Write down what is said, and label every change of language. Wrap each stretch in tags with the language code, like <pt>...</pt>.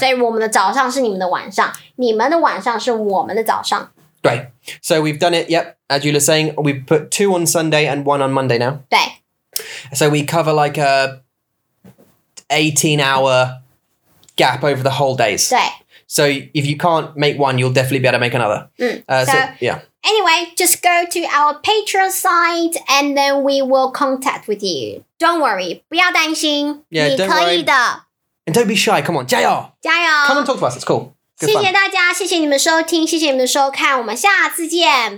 <zh>所以我们的早上是你们的晚上你们的晚上是我们的早上</zh> <en>对 So we've done it, yep, as you were saying We've put two on Sunday and one on Monday now</en> <zh>对</zh> <en>So we cover like a 18 hour gap over the whole days</en> <zh>对</zh> <en>So if you can't make one, you'll definitely be able to make another、 so yeah Anyway, just go to our Patreon site and then we will contact with you. Don't worry,</en> <zh>不要担心</zh> <en>yeah,</en> <zh>你可以的</zh> <en>And don't be shy, come on,</en> <zh>加油加油</zh> <en>Come and talk to us, it's cool、Good、</en> <zh>谢谢</zh> <en>fun.</en> <zh>大家谢谢你们收听谢谢你们收看我们下次见</zh>